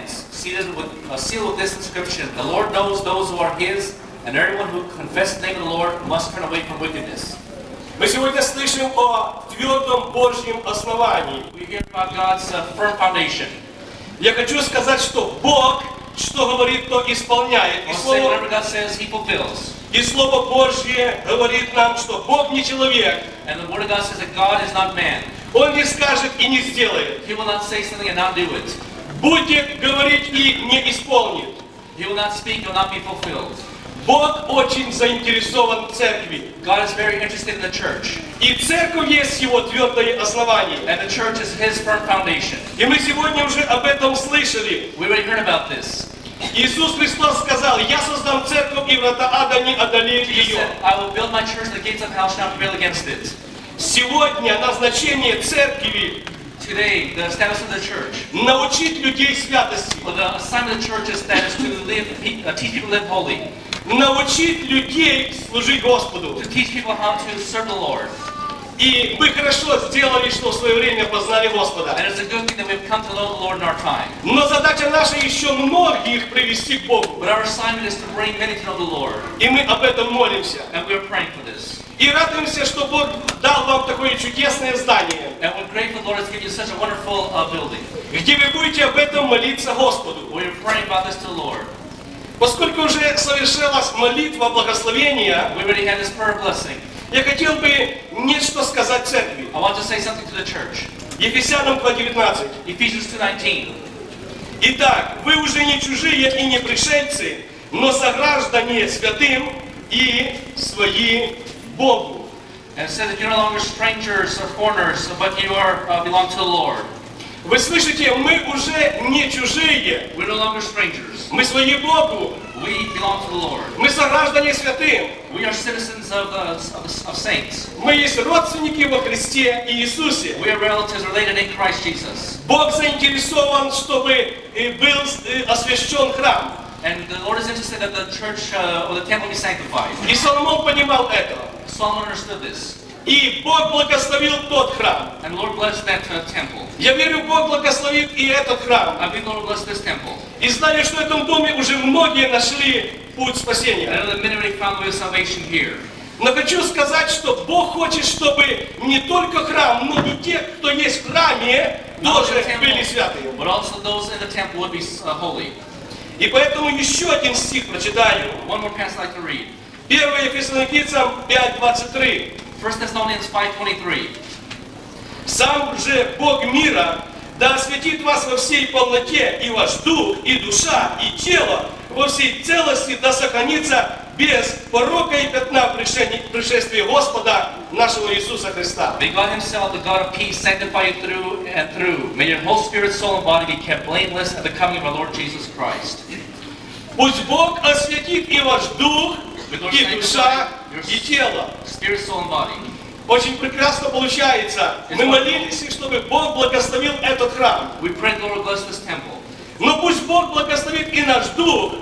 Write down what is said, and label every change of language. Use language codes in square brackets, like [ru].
[en] His, and everyone who confesses the name of the Lord must turn away from wickedness. [ru] Мы сегодня слышим о твердом Божьем основании. [en] We hear about God's firm foundation. [ru] Я хочу сказать, что Бог, что говорит, то исполняет. И слово, [en] whatever God says, He fulfills. [ru] И слово Божье говорит нам, что Бог не человек. [en] And the word of God says that God is not man. [ru] Он не скажет и не сделает. [en] He will not say something and not do it. [ru] Будет говорить и не исполнит. [en] He will not speak, will not be fulfilled. [ru] Бог очень заинтересован в церкви. [en] God is very interested in the church. [ru] И церковь есть его твердое основание. [en] And the church is his firm foundation. [ru] И мы сегодня уже об этом слышали. [en] We already heard about this. [ru] Иисус Христос сказал, я создам церковь, и врата ада не одолеют ее. [en] He said, I will build my church, the gates of hell shall not prevail against it. [ru] Сегодня назначение церкви. [en] Today, the status of the church. [ru] Научить людей святости. [en] Well, the assignment of the church is that is to live, teach people to live holy. [ru] Научить людей служить Господу. [en] To teach people how to serve the Lord. [ru] И мы хорошо сделали, что в свое время познали Господа. [en] And it's a good thing that we've come to know the Lord in our time. [ru] Но задача наша еще многих привести к Богу. [en] But our assignment is to bring many to know the Lord. [ru] И мы об этом молимся. [en] And we are praying for this. [ru] И радуемся, что Бог дал вам такое чудесное здание. [en] And we're grateful the Lord has given you such a wonderful building. [ru] Где вы будете об этом молиться Господу. [en] We're praying about this to the Lord. [ru] Поскольку уже совершилась молитва благословения, [en] we already had this prayer blessing. [ru] Я хотел бы нечто сказать церкви. [en] I want to say something to the church. [ru] Ефесянам 2:19. [en] Ephesians 2:19. [ru] Итак, вы уже не чужие и не пришельцы, но сограждане святым и свои Богу. [en] And it says that you're no longer strangers or foreigners, but you are belong to the Lord. [ru] Вы слышите, мы уже не чужие. [en] We're no longer strangers. [ru] Мы свои Богу. [en] We belong to the Lord. [ru] Мы сограждане святым. [en] We are citizens of saints. [ru] Мы есть родственники во Христе Иисусе. [en] We are relatives related in Christ Jesus. [ru] Бог заинтересован, чтобы был освящен храм. [en] And the Lord is interested that the church or the temple be sanctified. [ru] И Соломон понимал это. [en] Solomon understood this. [ru] И Бог благословил тот храм. [en] And the Lord blessed that temple. [ru] Я верю, Бог благословит и этот храм. [en] I believe the Lord blessed this temple. [ru] И знаю, что в этом доме уже многие нашли путь спасения. [en] And I know that many already found the way of salvation here. [ru] Но хочу сказать, что Бог хочет, чтобы не только храм, но и те, кто есть в храме, тоже были святы. [en] But also those in the temple would be holy. [ru] И поэтому еще один стих прочитаю. [en] One more passage I'd like to read. [ru] 1 Фессалоникийцам 5:23. [en] 1 Thessalonians 5:23. [ru] Сам же Бог мира да освятит вас во всей полноте, и ваш дух, и душа, и тело во всей целости да сохранится без порока и пятна пришествия Господа нашего Иисуса Христа. [en] May God Himself, the God of peace, sanctify you through and through. May your whole spirit, soul, and body be kept blameless at the coming of our Lord Jesus Christ. [ru] Пусть Бог освятит и ваш дух, и душа, и тело. [en] Spirit, soul, and body. [ru] Очень прекрасно получается. Мы молились, чтобы Бог благословил этот храм. [en] We pray the Lord bless this temple. [ru] Но пусть Бог благословит и наш дух,